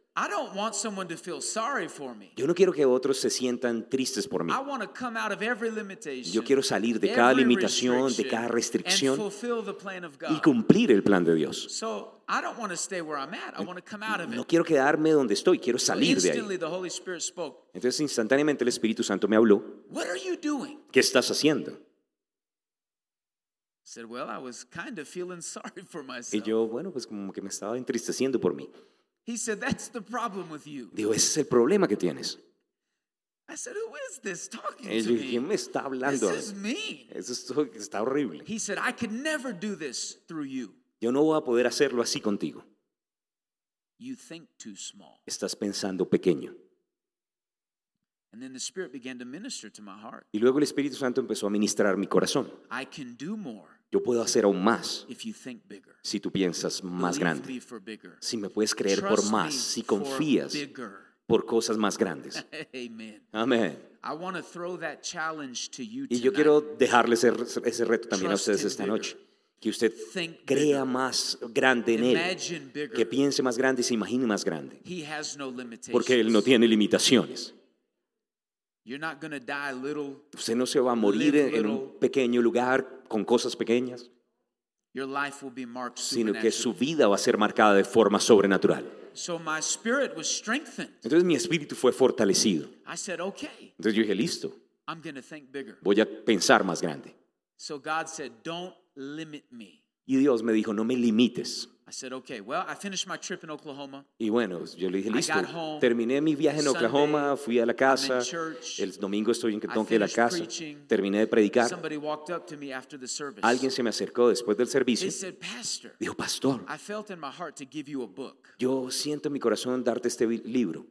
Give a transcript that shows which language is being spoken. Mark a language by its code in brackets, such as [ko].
[en] I don't want someone to feel sorry for me. [es] Yo no quiero que otros se sientan tristes por mí. [en] I want to come out of every limitation, [es] yo quiero salir de cada limitación, de cada restricción, [en] and fulfill the plan of God. [es] Y cumplir el plan de Dios. [en] So, I don't want to stay where I'm at. I want to come out of it. [es] No quiero quedarme donde estoy, quiero salir de ahí. [en] Instantly, the Holy Spirit spoke. [es] Entonces, instantáneamente, el Espíritu Santo me habló. [en] What are you doing? [es] ¿Qué estás haciendo? [en] I said, well, I was kind of feeling sorry for myself. [es] Y yo, bueno, pues como que me estaba entristeciendo por mí. [en] He said, that's the problem with you. [es] Digo, ese es el problema que tienes. [en] I said, who is this talking [es] yo, [en] to me? [es] ¿Quién me está hablando? [en] This is mean. [es] Eso está horrible. [en] He said, I could never do this through you. [es] Yo no voy a poder hacerlo así contigo. [en] You think too small. [es] Estás pensando pequeño. [en] And then the Spirit began to minister to my heart. [es] Y luego el Espíritu Santo empezó a ministrar mi corazón. [en] I can do more. [es] Yo puedo hacer aún más [en] if you think bigger. [es] Si tú piensas más grande. [en] Believe me for bigger. [es] Si me puedes creer [en] trust [es] por más, si confías [en] bigger. [es] Por cosas más grandes. [en] Amen. [es] Amen. [en] I want to throw that challenge to you tonight. [es] Y yo quiero dejarles ese reto también [en] trust [es] a ustedes esta [en] bigger. [es] Noche. Que usted crea más grande en Él. Que piense más grande y se imagine más grande. [en] He has no limitations. [es] Porque Él no tiene limitaciones. [en] You're not going to die little. [es] Usted no se va a morir en un pequeño lugar con cosas pequeñas. [en] Your life will be marked, [es] sino que su vida va a ser marcada de forma sobrenatural. [en] So my spirit was strengthened. [es] Entonces mi espíritu fue fortalecido. [en] I said, okay. [es] Entonces yo dije, listo. [en] I'm going to think bigger. [es] Voy a pensar más grande. [en] So God said, don't limit me. [es] Y Dios me dijo, no me limites. [en] I said, okay, well, I finished my trip in Oklahoma. [es] Y bueno, yo le dije, listo. [en] I got home. [es] Terminé mi viaje en Oklahoma, fui a la casa. [en] I'm in church. [es] El domingo estoy en Kentucky, la casa. [en] Preaching. [es] Terminé de predicar. [en] Somebody walked up to me after the service. [es] Alguien se me acercó después del servicio. [en] They said, Pastor, [es] dijo, Pastor, [en] I felt in my heart to give you a book. [es] Yo siento en mi corazón darte este libro.